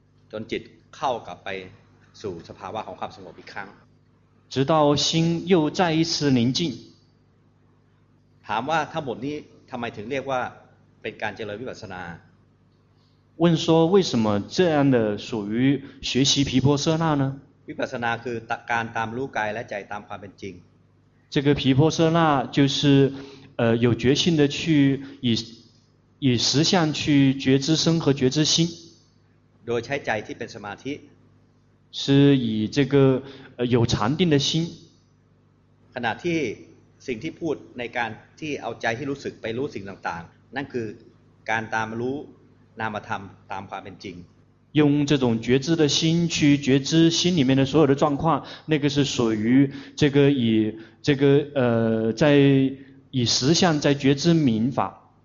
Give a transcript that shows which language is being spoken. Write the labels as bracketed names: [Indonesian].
[Thai] จนจิตเข้ากลับไปสู่สภาวะของความสงบอีกครั้ง [Chinese] 直到心又再一次宁静 [Thai] ถามว่าทั้งหมดนี้ทำไมถึงเรียกว่าเป็นการเจริญวิปัสสนา [Chinese] 问说为什么这样的属于学习毗婆舍那呢 [Thai] วิปัสสนาคือการตามรู้กายและใจตามความเป็นจริง [Chinese] 这个毗婆舍那就是有决心的去以实相去觉知身和觉知心 [Thai] โดยใช้ใจที่เป็นสมาธิ [Chinese] 是以这个有禅定的心 [Thai] ขณะที่สิ่งที่พูดในการที่เอาใจที่รู้สึกไปรู้สิ่งต่างๆนั่นคือการตามรู้นามธรรมตามความเป็นจริง [Chinese] 用这种觉知的心去觉知心里面的所有的状况那个是属于这个以这个在以实相在觉知明法